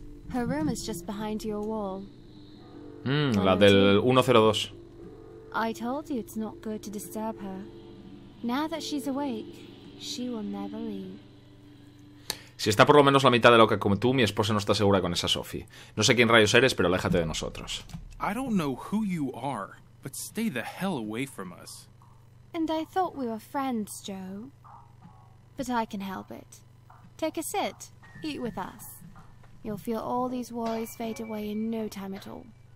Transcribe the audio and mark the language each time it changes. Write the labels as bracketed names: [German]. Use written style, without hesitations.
[English] Her room is just behind your wall. [Spanish] La del 102. [English] I told you it's not good to disturb her. Now that she's awake, she will never leave. [Spanish] Si está por lo menos la mitad de loca como tú, mi esposa no está segura con esa Sophie. No sé quién rayos eres, pero aléjate de nosotros. [English] I don't know who you are, but stay the hell away from us. And I thought we were friends, Joe. But I can help it. Take a sit. Eat with us. You'll feel all these worries fade away in no time at all.